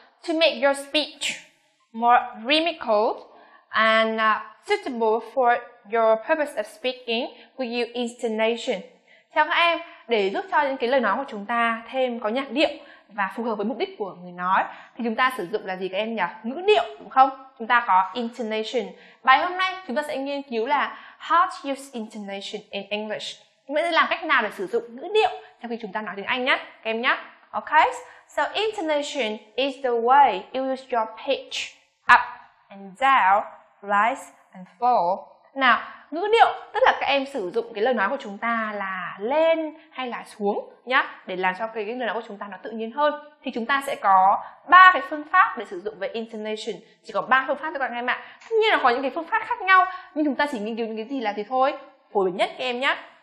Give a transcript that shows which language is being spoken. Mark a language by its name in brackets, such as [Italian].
[English] To make your speech more rhythmical and suitable for your purpose of speaking, we use intonation. [Vietnamese] Theo các em, để giúp cho những cái lời nói của chúng ta thêm có nhạc điệu và phù hợp với mục đích của người nói, thì chúng ta sử dụng là gì các em nhỉ? Ngữ điệu, đúng không? Chúng ta có intonation. Bài hôm nay, chúng ta sẽ nghiên cứu là [English] how to use intonation in English. [Vietnamese] Nghĩa là làm cách nào để sử dụng ngữ điệu trong khi chúng ta nói tiếng Anh nhé, các em nhé. [English] Okay, so intonation is the way you use your pitch up and down, rise and fall. [Vietnamese] Nào, ngữ điệu tức là các em sử dụng cái lời nói của chúng ta là lên hay là xuống nhá, để làm cho cái lời nói của chúng ta nó tự nhiên hơn. Thì chúng ta sẽ có ba cái phương pháp để sử dụng về intonation. Chỉ có ba phương pháp thôi các em ạ. Tất nhiên là có những cái phương pháp khác nhau, nhưng chúng ta chỉ nghiên cứu những cái gì là thì thôi, phổ biến nhất các em nhá.